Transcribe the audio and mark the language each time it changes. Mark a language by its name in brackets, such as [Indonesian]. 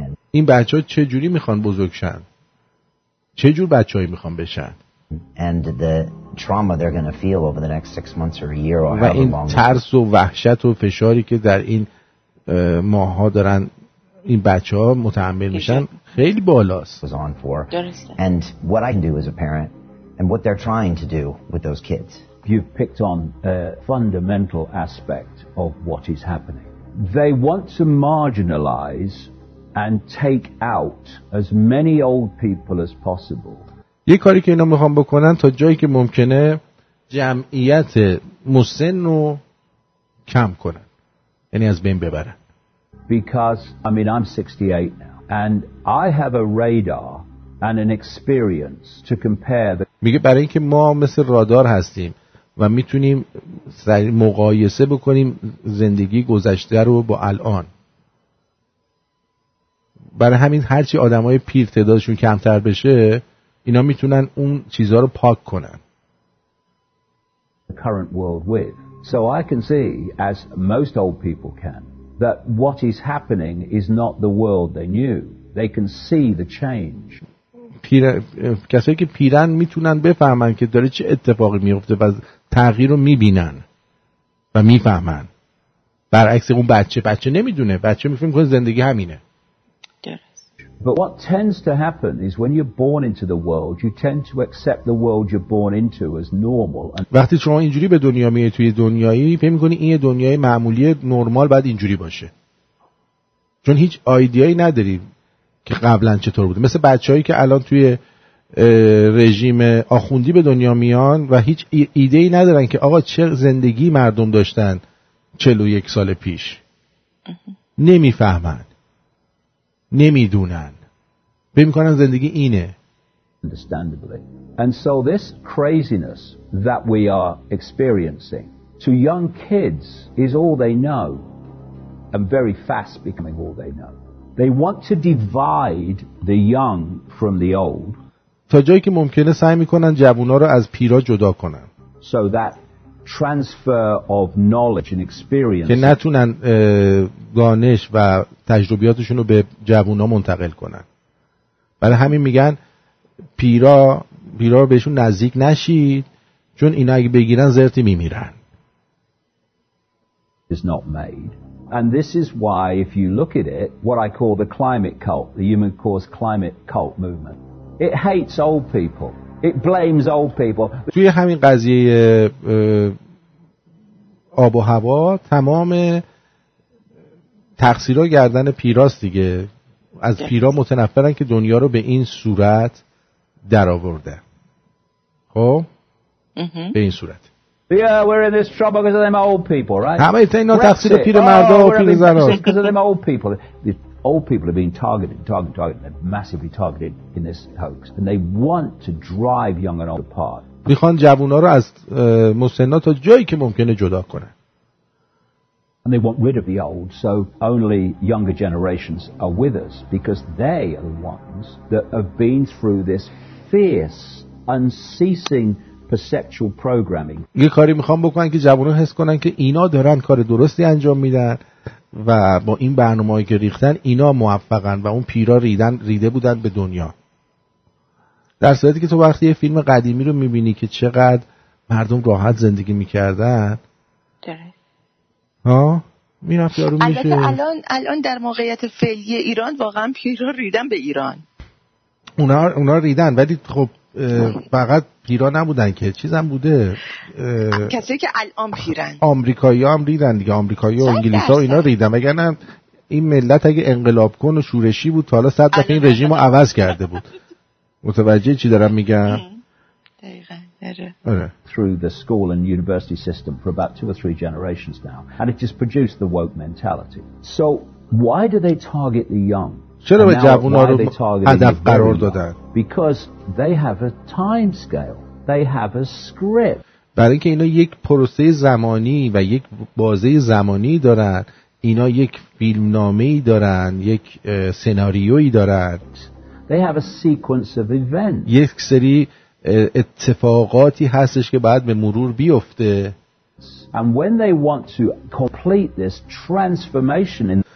[Persian] این بچه ها چه جوری میخوان بزرگ شن، چه جور بچه هایی میخوان بشن، و این ترس و وحشت و فشاری که در این ماها دارن این بچه ها متحمل میشن خیلی بالاست. [English] And what I can do as a parent and what they're trying to do with those kids. You've picked on a fundamental aspect of what is happening. they want to marginalize and take out as many old people as possible. [Persian] یه کاری که اینا میخوان بکنن تا جایی که ممکنه جمعیت مسن رو کم کنن، یعنی از بین ببرن. [English] Because I mean I'm 68 now and I have a radar and an experience to compare the... [Persian] میگه برای اینکه ما مثل رادار هستیم و میتونیم سریع مقایسه بکنیم زندگی گذشته رو با الان، برای همین هرچی آدم های پیر تعدادشون کمتر بشه اینا میتونن اون چیزها رو پاک کنن. [English] The current world with. So I can see, as most old people can, that what is happening is not the world they knew. They can see the change. [Persian] کسایی که پیرن میتونن بفهمن که داره چه اتفاقی میفته و تغییر رو میبینن و میفهمن، برعکس اون بچه نمیدونه، بچه میفهمه که زندگی همینه. [English] But what tends to happen is when you're born into the world, you tend to accept the world you're born into as normal. [Persian] وقتی شما اینجوری به دنیا میای توی دنیایی، فهم می‌کنی این دنیای معمولی نرمال بعد اینجوری باشه. چون هیچ ایده‌ای نداری که قبلاً چطور بوده. مثل بچه‌هایی که الان توی رژیم آخوندی به دنیا میان و هیچ ایده‌ای ندارن که آقا چه زندگی مردم داشتن 41 سال پیش. نمی‌فهمن. نمیدونن. فکر میکنن زندگی اینه. [English] Understandably. And so this craziness that we are experiencing to young kids is all they know and very fast becoming all they know. They want to divide the young from the old. [Persian] تا جایی که ممکنه سعی میکنن جوونا رو از پیرا جدا کنن. [English] So that transfer of knowledge and experience. [Persian] که نتونن دانش و تجربیاتشون رو به جوونا منتقل کنن. برای همین میگن پیرا رو بهشون نزدیک نشید، چون اینا اگه بگیرن زرتی میمیرن. [English] Is not made. And this is why if you look at it, what I call the climate cult, the human caused climate cult movement. It hates old people. It blames old people. [Persian] توی همین قضیه آب و هوا تمام تقصیرا گردن پیراست دیگه، از پیرا متنفرن که دنیا رو به این صورت درآورده. خب به این صورت. [English] Yeah, we're in this trouble because of them old people, right? [Persian] همه اینا تقصیر پیرمردا و پیرزنا. [English] Because of them old people. The old people are being targeted, they're massively targeted in this hoax and they want to drive young and old apart. [Persian] میخوان جوونا رو از مسنا تا جایی که ممکنه جدا کنن. [English] And they want rid of the old, so only younger generations are with us because they are the ones that have been through this fierce, unceasing perceptual programming. [Persian] یه کاری میخوام بکنن که جوان رو حس کنن که اینا دارن کار درستی انجام میدن و با این برنامه هایی که ریختن اینا موفقن و اون پیرا ریده بودن به دنیا. در صورتی که تو وقتی یه فیلم قدیمی رو میبینی که چقدر مردم راحت زندگی میکردن. میرفت یارو میشه. الان در موقعیت فعلی ایران واقعا پیرا ریدن به ایران. اونا ریدن، ولی خب فقط پیرا نبودن که، چیزم بوده. کسی که الان پیرن. آمریکایی‌ها هم ریدن دیگه، آمریکایی‌ها و انگلیسی‌ها اینا ریدن. وگرنه این ملت اگه انقلاب کن و شورشی بود تا حالا صد دفعه این رژیم رو عوض کرده بود. متوجه چی دارم میگم؟ دقیقاً. [English] Through the school and university system for about two or three generations now and it just produced the woke mentality. So why do they target the young? [Persian] چرا به جوان‌ها رو هدف قرار دادن؟ [English] Because they have a time scale. They have a script. [Persian] برای اینکه اینا یک پروسه زمانی و یک بازه زمانی دارن، اینا یک فیلمنامه‌ای دارن، یک سناریویی دارن. [English] They have a sequence of events. [Persian] یک سری اتفاقاتی هستش که بعد به مرور بیفته. [English] And when they want to complete this transformation in